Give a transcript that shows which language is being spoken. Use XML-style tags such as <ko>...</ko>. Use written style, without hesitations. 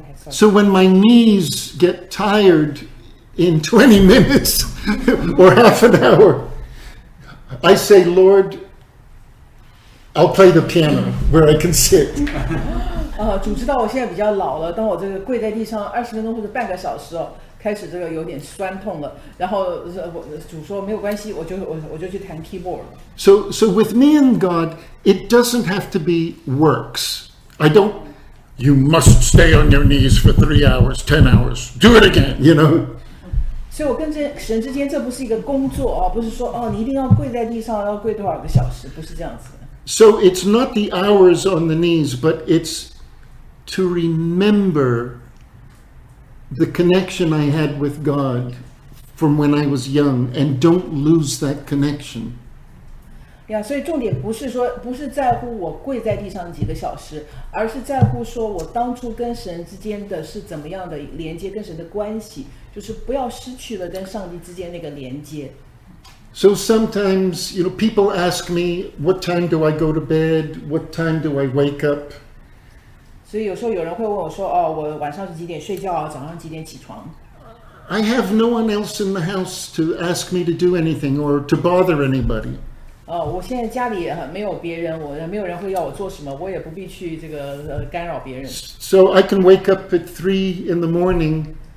<en>So when my knees get tired in 20 minutes or half an hour, I say, Lord, I'll play the piano where I can sit.</en> <zh>主知道我现在比较老了，当我这个跪在地上二十分钟或者半个小时哦，开始这个有点酸痛了。然后主说没有关系，我就去弹 keyboard。</zh> <en>So with me and God, it doesn't have to be works. You must stay on your knees for 3 hours, 10 hours. Do it again, you know.</en> <zh>所以我跟神之间，这不是一个工作哦，不是说哦，你一定要跪在地上，要跪多少个小时，不是这样子的。</zh> <en>So it's not the hours on the knees, but it's to remember the connection I had with God from when I was young, and don't lose that connection.</en> <zh>Yeah, 所以重点不是在乎我跪在地上几个小时，而是在乎说我当初跟神之间的是怎么样的连接，跟神的关系，就是不要失去了跟上帝之间那个连接。</zh> <en>So sometimes, you know, people ask me, what time do I go to bed? What time do I wake up?</en> <zh>所以有时候有人会问我说，我晚上是几点睡觉，早上几点起床？</zh> <en>I have no one else in the house to ask me to do anything or to bother anybody.</en> <zh>我现在家里没有别人，我没有人会要我做什么，我也不必去这个干扰别人。</zh> <en>So I can wake up at 3 in the morning.</en>